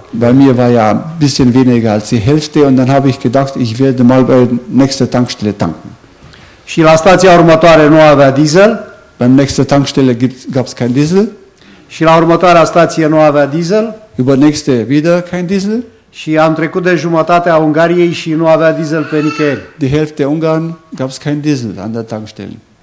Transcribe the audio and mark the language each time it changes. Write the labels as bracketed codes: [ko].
[de] Bei mir war ja ein bisschen weniger als die Hälfte und dann habe ich gedacht, ich werde mal bei der nächsten Tankstelle tanken. [ro] Și la stația următoare nu avea diesel. [de] Beim nächsten Tankstelle gab es kein Diesel. [ro] Și la următoarea stație nu avea diesel. [de] Über nächste wieder kein Diesel. [ro] Și am trecut de jumătatea Ungariei și nu avea diesel pe nicăieri. [de] Die Hälfte Ungarn gab es kein Diesel an der Tankstelle.